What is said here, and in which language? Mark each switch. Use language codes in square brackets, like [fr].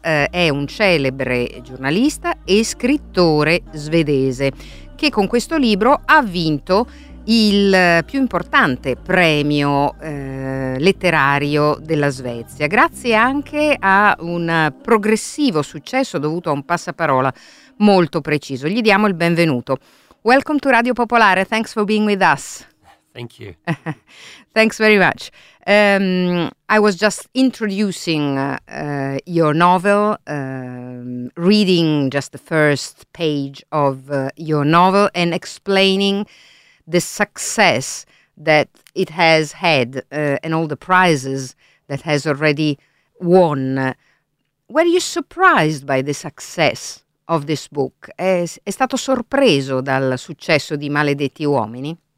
[it] È un celebre giornalista e scrittore svedese che con questo libro ha vinto il più importante premio letterario della Svezia, grazie anche a un progressivo successo dovuto a un passaparola molto preciso. Gli diamo il benvenuto. [en] Welcome to Radio Popolare. Thanks for being with us. Thank you. Thanks very much. I was just introducing your novel, reading just the first page of your novel and explaining the success that it has had and all the prizes that has already won. Were you surprised by the success of this book? [it] È stato sorpreso dal successo di Maledetti Uomini?